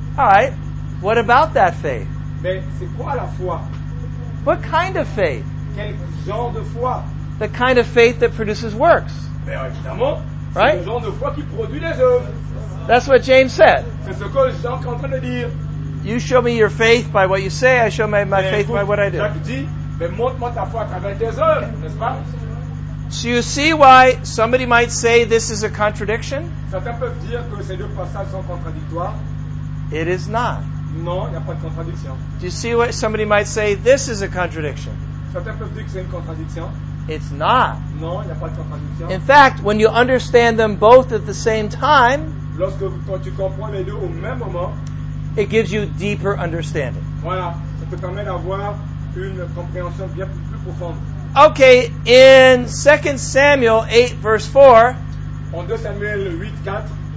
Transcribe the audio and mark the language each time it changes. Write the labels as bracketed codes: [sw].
[en] all right, what about that faith? [fr] Mais c'est quoi la foi? [en] What kind of faith? [fr] Quel genre de foi? [en] The kind of faith that produces works. [fr] Mais évidemment, [en] right? [fr] C'est le genre de foi qui produit les œuvres. [en] That's what James said. [fr] C'est ce que Jean est en train de dire. [en] You show me your faith by what you say, I show my faith by what I do. [fr] Jacques dit, mais montre-moi ta foi à travers tes œuvres, n'est-ce pas? [en] So you see why somebody might say this is a contradiction? [fr] Certains peuvent dire que ces deux passages sont contradictoires. [en] It is not. [fr] Non, il n'y a pas de contradiction. [en] Do you see why somebody might say this is a contradiction? [fr] Certains peuvent dire que c'est une contradiction. [en] It's not. [fr] Non, il n'y a pas de contradiction. [en] In fact, when you understand them both at the same time, [fr] quand tu comprends les deux au même moment, [en] it gives you deeper understanding. [fr] Voilà, ça te permet d'avoir une compréhension bien plus profonde. [en] Okay, in 2 Samuel 8, verse 4, [fr] en 2 Samuel 8, 4,